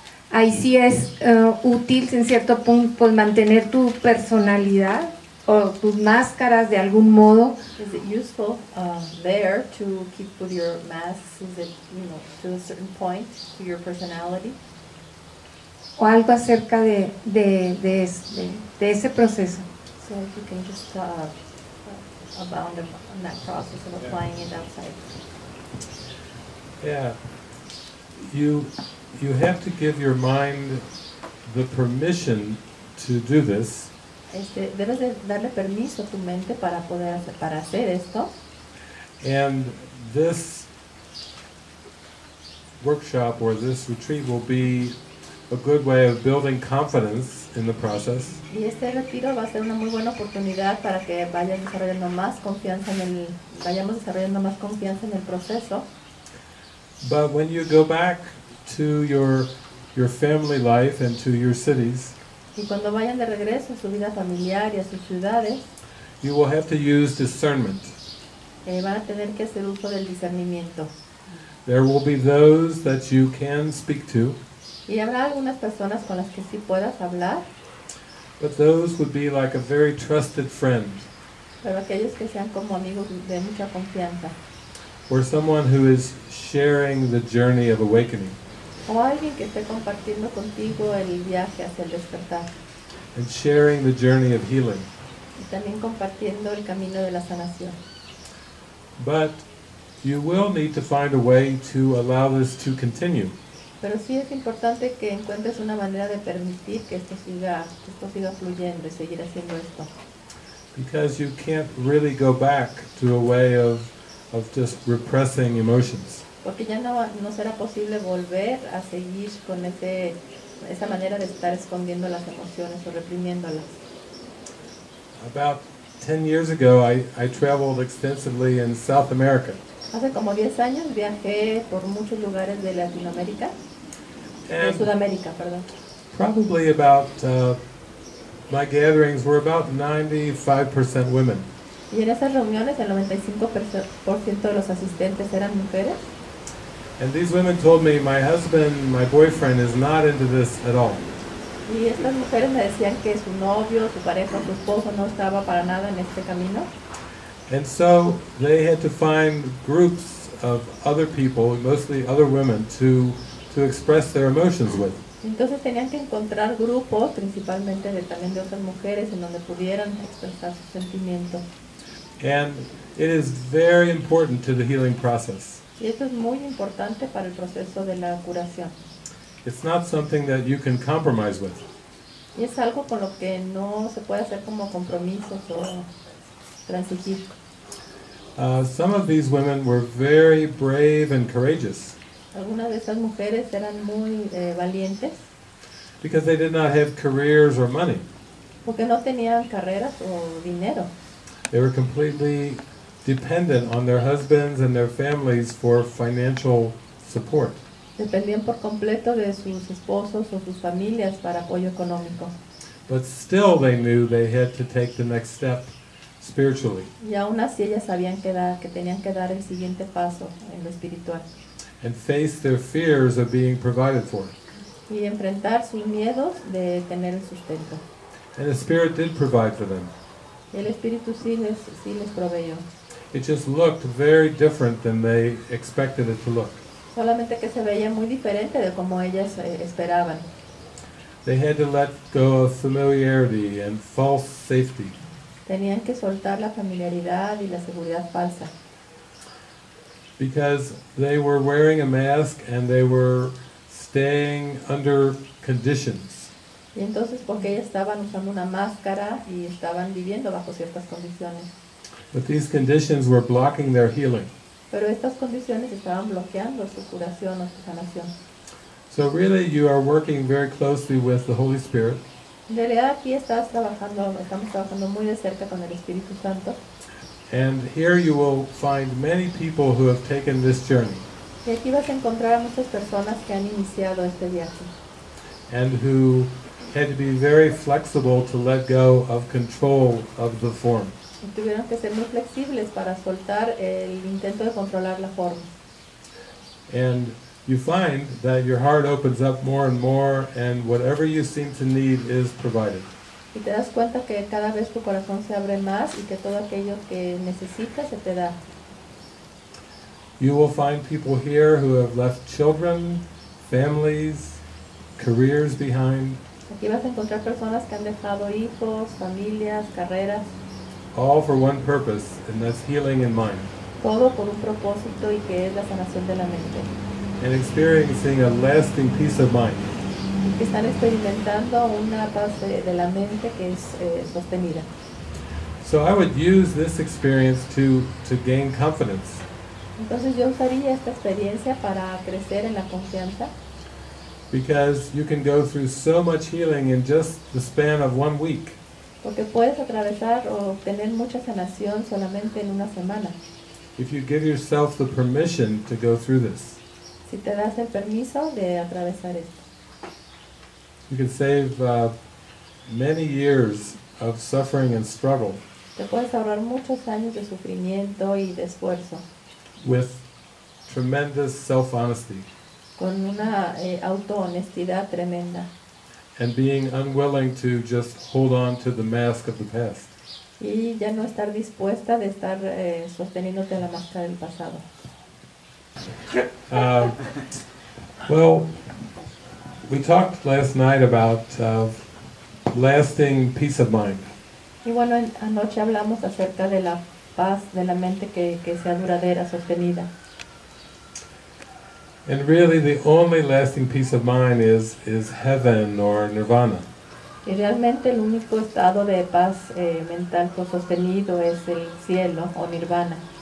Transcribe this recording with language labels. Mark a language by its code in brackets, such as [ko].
[es] Ahí sí es útil, en cierto punto, pues mantener tu personalidad o tus máscaras de algún modo. [en] Is it useful there to keep with your masks? Is it, you know, to a certain point, to your personality? [es] O algo acerca de ese proceso. [en] So if you can just abound on that process of applying it outside. Yeah. You have to give your mind the permission to do this. [es] Debes de darle permiso a tu mente para hacer esto. [en] And this workshop or this retreat will be a good way of building confidence in the process. [es] Y este retiro va a ser una muy buena oportunidad para que vayamos desarrollando más confianza en el proceso. [en] But when you go back to your family life and to your cities, [es] y cuando vayan de regreso a su vida familiar y a sus ciudades, [en] you will have to use discernment. [es] Van a tener que hacer uso del discernimiento. [en] There will be those that you can speak to. [es] ¿Y habrá algunas personas con las que sí puedas hablar? [en] But those would be like a very trusted friend. [es] Pero aquellos que sean como amigos de mucha confianza. [en] Or someone who is sharing the journey of awakening. [es] O alguien que esté compartiendo contigo el viaje hacia el despertar. [en] And sharing the journey of healing. [es] Y también compartiendo el camino de la sanación. [en] But you will need to find a way to allow this to continue. [es] Pero sí es importante que encuentres una manera de permitir que esto siga fluyendo y seguir haciendo esto. [en] Because you can't really go back to a way of just repressing emotions. [es] Porque ya no será posible volver a seguir con esa manera de estar escondiendo las emociones o reprimiéndolas. [en] About 10 years ago, I traveled extensively in South America. [es] Hace como 10 años viajé por muchos lugares de Latinoamérica. De Sudamérica, perdón. [en] Probably about my gatherings were about 95% women. [es] Y en esas reuniones el 95% de los asistentes eran mujeres. [en] And these women told me, my husband, my boyfriend is not into this at all. [es] Y estas mujeres me decían que su novio, su pareja, su esposo no estaba para nada en este camino. [en] And so they had to find groups of other people, mostly other women, to express their emotions with. [es] Entonces tenían que encontrar grupos, principalmente también de otras mujeres, en donde pudieran expresar sus sentimientos. [en] And it is very important to the healing process. [es] Y esto es muy importante para el proceso de la curación. [en] It's not something that you can compromise with. [es] Y es algo con lo que no se puede hacer como compromisos o transigir. [en] Some of these women were very brave and courageous. [es] Algunas de esas mujeres eran muy valientes. [en] Because they did not have careers or money. [es] Porque no tenían carreras o dinero. [en] They were completely dependent on their husbands and their families for financial support. [es] Dependían por completo de sus esposos o sus familias para apoyo económico. [en] But still they knew they had to take the next step spiritually. [es] Y aún así ellas sabían que tenían que dar el siguiente paso en lo espiritual. [en] And face their fears of being provided for. [es] Y enfrentar sus miedos de tener el sustento. [en] And the Spirit did provide for them. [es] El Espíritu sí les proveyó. [en] It just looked very different than they expected it to look. [es] Solamente que se veía muy diferente de como ellas esperaban. [en] They had to let go of familiarity and false safety. [es] Tenían que soltar la familiaridad y la seguridad falsa. [en] Because they were wearing a mask and they were staying under conditions. [es] Y entonces porque ellas estaban usando una máscara y estaban viviendo bajo ciertas condiciones. [en] But these conditions were blocking their healing. [es] Pero estas condiciones estaban bloqueando su curación o su sanación. [en] So really you are working very closely with the Holy Spirit. [es] En realidad aquí estamos trabajando muy de cerca con el Espíritu Santo. [en] And here you will find many people who have taken this journey. [es] Y aquí vas a encontrar a muchas personas que han iniciado este viaje. [en] And who had to be very flexible to let go of control of the form. [es] Y tuvieron que ser muy flexibles para soltar el intento de controlar la forma. [en] And you find that your heart opens up more and more, and whatever you seem to need is provided. [es] Y te das cuenta que cada vez tu corazón se abre más y que todo aquello que necesitas se te da. [en] You will find people here who have left children, families, careers behind. [es] Aquí vas a encontrar personas que han dejado hijos, familias, carreras. [en] All for one purpose, and that's healing in mind. [es] Todo por un propósito y que es la sanación de la mente. [en] And experiencing a lasting peace of mind. [es] Que están experimentando una paz de la mente que es sostenida. [en] So I would use this experience to gain confidence. [es] Entonces yo usaría esta experiencia para crecer en la confianza. [en] Because you can go through so much healing in just the span of 1 week. [es] Porque puedes atravesar o obtener mucha sanación solamente en una semana. [en] If you give yourself the permission to go through this. [es] Si te das el permiso de atravesar esto. [en] You can save many years of suffering and struggle. [es] Te puedes ahorrar muchos años de sufrimiento y de esfuerzo. [en] With tremendous self-honesty. [es] con una autohonestidad tremenda. [en] And being unwilling to just hold on to the mask of the past. [es] Y ya no estar dispuesta de estar sosteniéndote la máscara del pasado. [en] Well, we talked last night about lasting peace of mind. [es] Y bueno, anoche hablamos acerca de la paz de la mente que sea duradera, sostenida. [en] And really the only lasting peace of mind is heaven or nirvana. [es] Y realmente el único estado de paz mental sostenido es el cielo o nirvana.